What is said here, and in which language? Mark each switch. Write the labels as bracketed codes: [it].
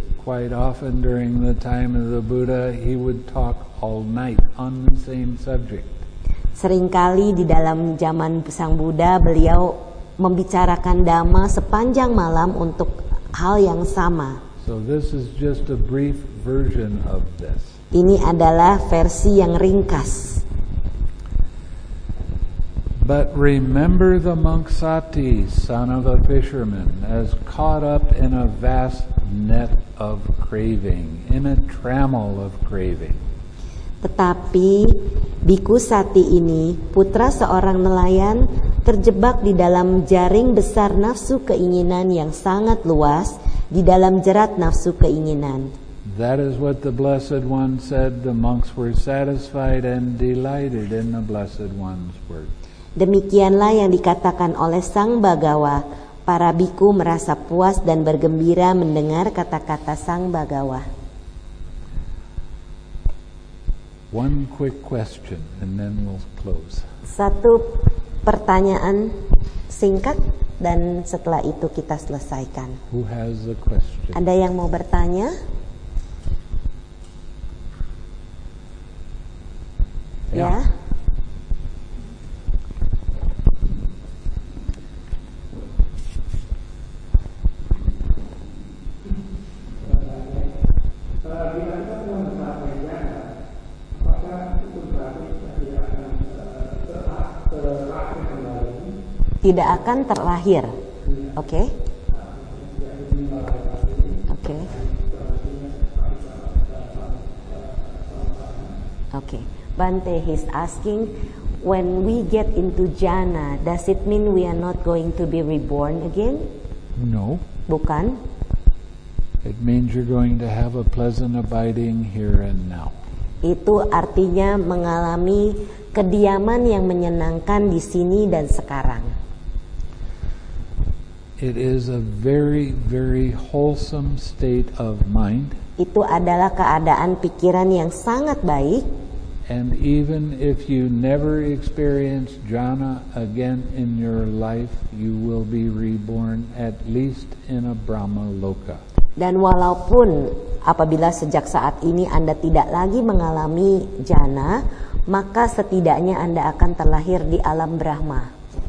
[en] Quite often during the time of the Buddha, he would talk all night on the same subject. [id] Seringkali di dalam zaman Sang Buddha, beliau membicarakan dhamma sepanjang malam untuk hal yang sama. [en] So this is just a brief version of this. [id] Ini adalah versi yang ringkas. [en] But remember the monk Sati, son of a fisherman, as caught up in a vast net of craving, in a trammel of craving. [id] Tetapi Bhikkhu Sati ini, putra seorang nelayan, terjebak di dalam jaring besar nafsu keinginan yang sangat luas, di dalam jerat nafsu keinginan. [en] That is what the Blessed One said. The monks were satisfied and delighted in the Blessed One's word. [id] Demikianlah yang dikatakan oleh Sang Bhagawa. Para bhikkhu merasa puas dan bergembira mendengar kata-kata Sang Bhagawa. [en] One quick question and then we'll close. [id] Satu pertanyaan singkat dan setelah itu kita selesaikan. [en] Who has a question? [id] Ada yang mau bertanya? Ya. Tidak akan terlahir. Oke. Oke. Oke. [en] Bante, he's asking, when we get into jhana, does it mean we are not going to be reborn again? No. [id] Bukan. [en] It means you're going to have a pleasant abiding here and now. [id] Itu artinya mengalami kediaman yang menyenangkan di sini dan sekarang. [en] It is a very, very wholesome state of mind. [id] Itu adalah keadaan pikiran yang sangat baik. [en] And even if you never experience jhana again in your life, you will be reborn at least in a Brahma Loka. [id] Dan walaupun apabila sejak saat ini Anda tidak lagi mengalami jhana, maka setidaknya Anda akan terlahir di alam Brahma.